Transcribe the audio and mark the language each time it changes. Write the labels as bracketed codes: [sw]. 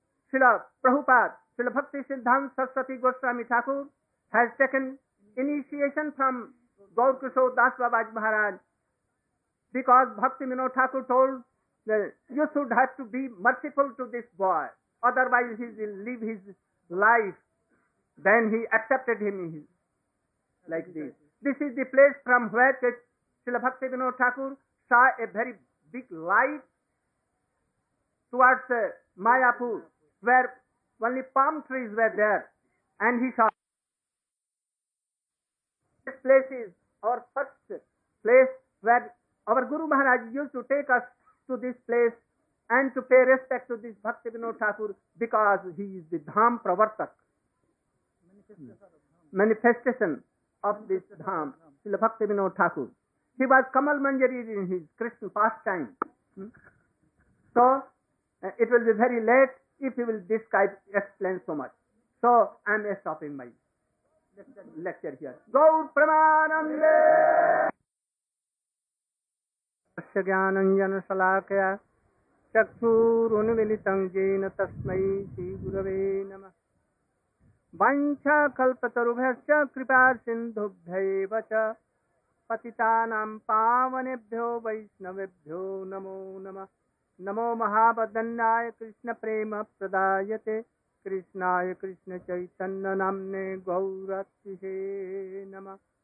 [en] Srila Prabhupada Srila Bhakti Siddhanta Saraswati Goswami Thakur has taken initiation from Gaurakishor Das Babaji Maharaj because Bhakti Vinod Thakur told you should have to be merciful to this boy otherwise he will leave his life then he accepted him his like this this is the place from where Srila Bhakti Vinod Thakur saw a very big light towards Mayapur where only palm trees were there and he saw places, our first place where our Guru Maharaj used to take us to this place and to pay respect to this Bhakti Vinod Thakur because he is the Dham Pravartak. Manifestation of this Dham, Srila Bhakti Vinod Thakur. He was Kamal Manjari in his Krishna pastime. So, it will be very late if he will describe, explain so much. So, I am stopping my lecture here. Gaur Pramanande! [sa] Asya Jnanam Jana Salakaya Chakshur Unvilitam Jena Tasmai Shri Gurave Namah Vancha Kalpatarubhyascha Kripar Sindhubhyay Vacha Patitanam Pavanebhyo Vaishnavibhyo Namo Namah नमो महाबदन्नाय कृष्ण प्रेम प्रदायते कृष्णाय कृष्ण चैतन्य नाम्ने गौरत्ये नमः